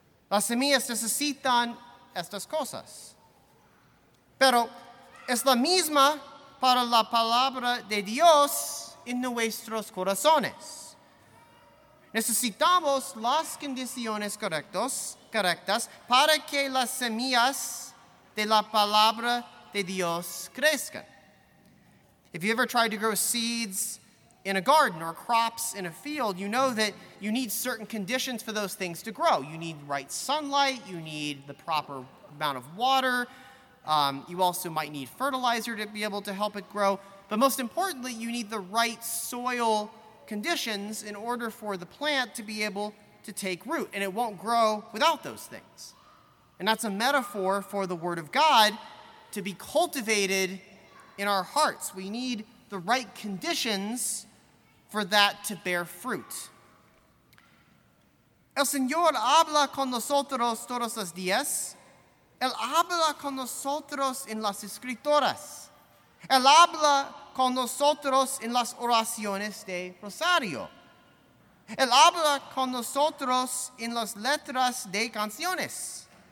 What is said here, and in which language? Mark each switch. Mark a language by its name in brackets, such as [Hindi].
[Spanish] Las semillas necesitan estas cosas. Pero es la misma para la palabra de Dios en nuestros corazones. Necesitamos las condiciones correctas para que las semillas de la palabra de Dios crezcan. [English] If you ever tried to grow seeds in a garden or crops in a field, you know that you need certain conditions for those things to grow. You need right sunlight, you need the proper amount of water, you also might need fertilizer to be able to help it grow. But most importantly, you need the right soil conditions in order for the plant to be able to take root, and it won't grow without those things. And that's a metaphor for the Word of God to be cultivated in our hearts. We need the right conditions for that to bear fruit. [Spanish] El Señor habla con nosotros todos los días. Él habla con nosotros en las escrituras. Él habla con nosotros en las oraciones de Rosario. Él habla con nosotros en las letras de canciones.